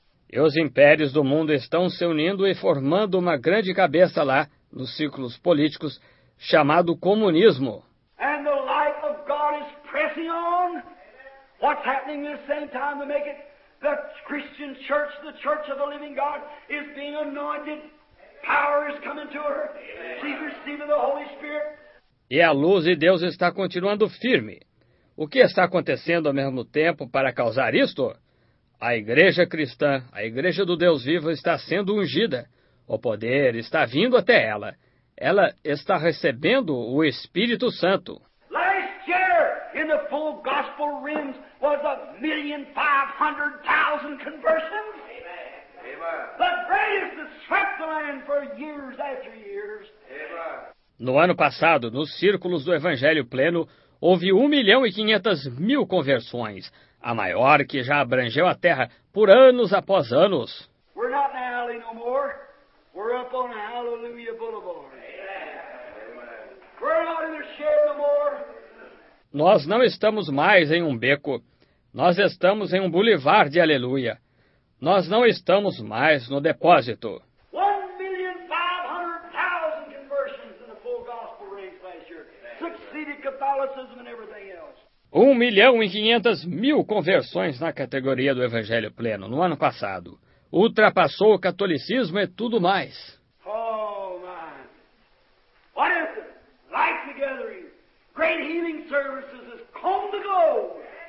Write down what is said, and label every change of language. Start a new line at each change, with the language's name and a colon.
Portuguese: E os impérios do mundo estão se unindo e formando uma grande cabeça lá, nos círculos políticos, chamado comunismo.
English: And the light of God is pressing on. What's happening at the same time to make it the Christian church, the church of the living God, is being anointed. Power is coming to her. She's receiving the Holy Spirit.
Portuguese: E a luz de Deus está continuando firme. O que está acontecendo ao mesmo tempo para causar isto? A igreja cristã, a igreja do Deus vivo, está sendo ungida. O poder está vindo até ela. Ela está recebendo o Espírito Santo.
English: Last year, in the full gospel realms, was 1,500,000 conversions. Amen. The greatest that swept the land for years after years.
Portuguese: No ano passado, nos círculos do Evangelho Pleno, houve 1,500,000 conversões. A maior que já abrangeu a terra por anos após anos.
English: We're not in the alley no more. We're up on Hallelujah Boulevard. Amen. We're not in the shed no more.
Portuguese: Nós não estamos mais em um beco. Nós estamos em um bulevar de aleluia. Nós não estamos mais no depósito.
English: 1,500,000 conversions in the full gospel race last year. Succeeded Catholicism and everything else.
Portuguese: 1,500,000 conversões na categoria do Evangelho Pleno no ano passado. Ultrapassou o catolicismo e tudo mais.
English: Oh, man. What is it? Life gathering. Great healing services has come to go.